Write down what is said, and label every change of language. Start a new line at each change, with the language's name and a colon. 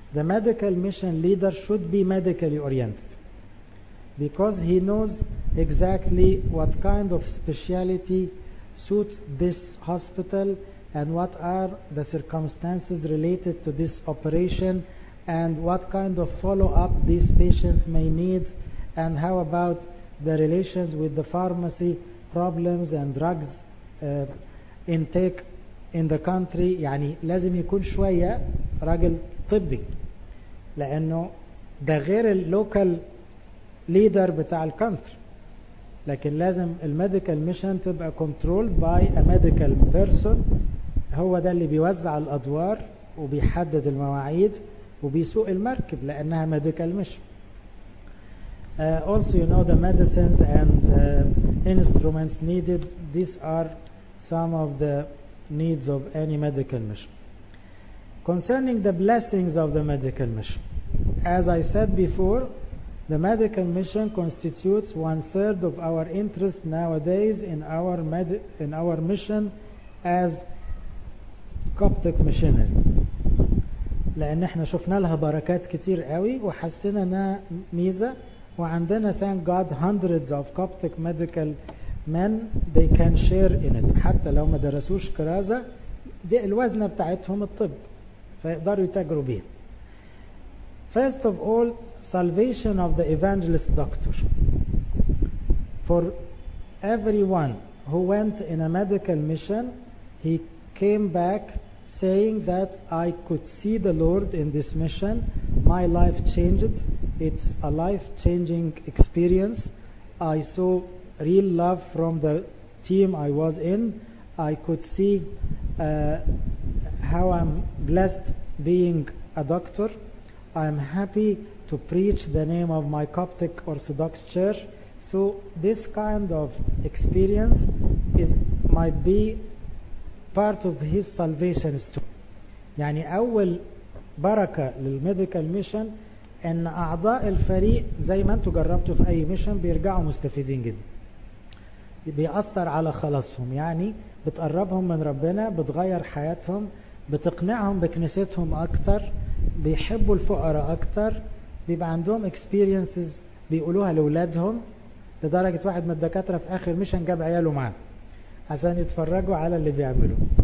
English: The medical mission leader should be medically oriented because he knows exactly what kind of specialty suits this hospital and what are the circumstances related to this operation and what kind of follow-up these patients may need and how about the relations with the pharmacy problems and drugs intake in the country.
Arabic: يعني لازم يكون شوية راجل طبي، لأنه ده غير
English: اللوكال ليدر
Arabic: بتاع الكونتري. لكن لازم الميديكال ميشن تبقى
English: controlled by a medical person,
Arabic: هو ده اللي بيوزع الأدوار وبيحدد المواعيد وبيسوق المركب لأنها ميديكال ميشن.
English: Also you know the medicines and instruments needed. These are some of the needs of any medical mission. Concerning the blessings of the medical mission, as I said before, the medical mission constitutes 1/3 of our interest nowadays in our mission as Coptic missionary.
Arabic: لأن احنا شفنا لها بركات كتير قوي وحسنا انها ميزة، وعندنا
English: thank God hundreds of Coptic medical men they can share in it.
Arabic: حتى لو ما درسوش كرازة دي الوزنة بتاعتهم الطب فيقدروا يتاجروا بيها.
English: First of all, salvation of the evangelist doctor. For everyone who went in a medical mission, he came back saying that I could see the Lord in this mission, my life changed, it's a life-changing experience, I saw real love from the team I was in, I could see how I'm blessed being a doctor, I'm happy to preach the name of my Coptic Orthodox Church. So this kind of experience is might be part of his salvation story.
Arabic: يعني أول بركة للميديكال ميشن أن أعضاء الفريق زي ما أنتوا جربتوا في أي ميشن بيرجعوا مستفيدين جدا، بيأثر على خلاصهم، يعني بتقربهم من ربنا، بتغير حياتهم، بتقنعهم بكنيستهم أكتر، بيحبوا الفقراء أكتر، بيبقى عندهم experiences بيقولوها لأولادهم، لدرجة واحد من الدكاترة في آخر ميشن جاب عياله معاه عشان يتفرجوا على اللي بيعملوا.